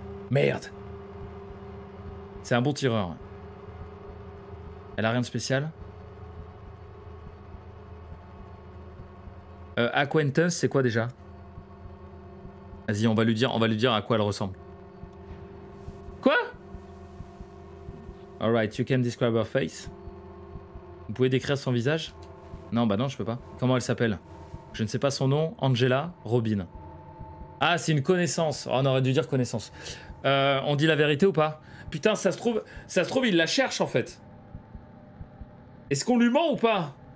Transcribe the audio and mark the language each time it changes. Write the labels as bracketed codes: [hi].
[fr] Merde. C'est un bon tireur. Elle a rien de spécial. Acquaintance, c'est quoi déjà? Vas-y, on va lui dire à quoi elle ressemble. Quoi? [en] Alright, you can describe her face. [fr] Vous pouvez décrire son visage? Non, bah non, je peux pas. Comment elle s'appelle? Je ne sais pas son nom. Angela Robin. Ah, c'est une connaissance. Oh, on aurait dû dire connaissance. On dit la vérité ou pas? Putain, ça se trouve, il la cherche en fait. Est-ce qu'on lui ment ou pas?